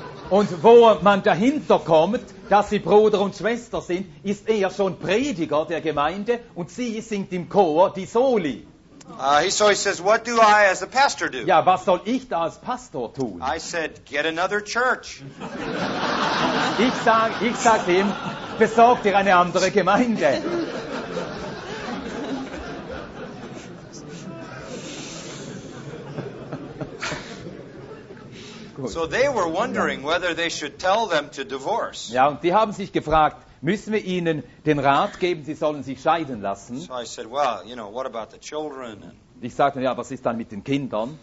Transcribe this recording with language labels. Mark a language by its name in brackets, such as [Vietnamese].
[German] Und wo man dahinter kommt, dass sie Bruder und Schwester sind, ist er schon Prediger der Gemeinde und sie singt im Chor die Soli. [English] So he says, what do I as a pastor do? [German] Ja, was soll ich da als Pastor tun? [English] I said, get another church. [German] Ich sag ihm, besorg dir eine andere Gemeinde. [English] So they were wondering whether they should tell them to divorce. [German] Ja, und die haben sich gefragt, müssen wir ihnen den Rat geben, sie sollen sich scheiden lassen? [English] So I said, well, you know, what about the children? [German] And ich sagte, ja, was ist dann mit den Kindern?